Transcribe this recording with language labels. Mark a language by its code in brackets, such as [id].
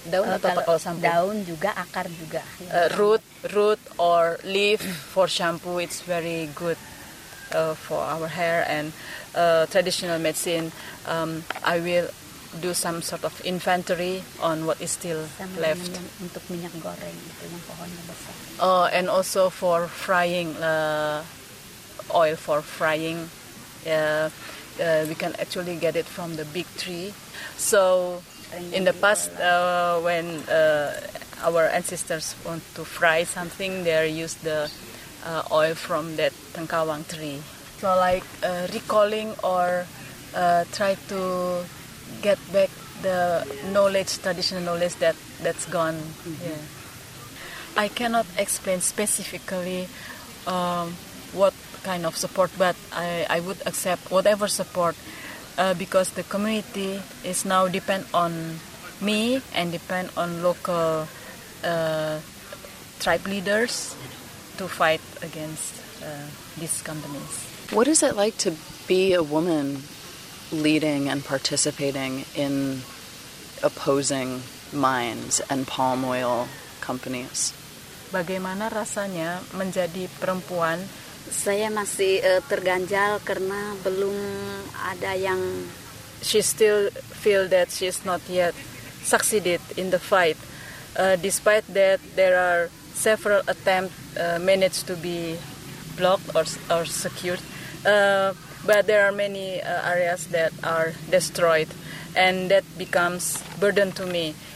[id] Daun atau kalau shampoo? Daun juga, akar juga. [en] Root or leaf for shampoo, it's very good for our hair, and traditional medicine, I will do some sort of inventory on what is still [id] sama [en] left. [id] Untuk minyak goreng, itu yang pohonnya besar. [en] Oh, and also for frying, oil for frying, we can actually get it from the big tree. So in the past, when our ancestors want to fry something, they use the oil from that tengkawang tree. So like recalling or try to get back the knowledge, traditional knowledge that's gone. Mm-hmm. Yeah. I cannot explain specifically what kind of support, but I would accept whatever support because the community is now depend on me and depend on local tribe leaders to fight against these companies. What is it like to be a woman leading and participating in opposing mines and palm oil companies? [id] Bagaimana rasanya menjadi perempuan? Saya masih terganjal karena belum ada yang... [en] She still feel that she's not yet succeeded in the fight. Despite that, there are several attempts managed to be blocked or secured. But there are many areas that are destroyed, and that becomes burden to me.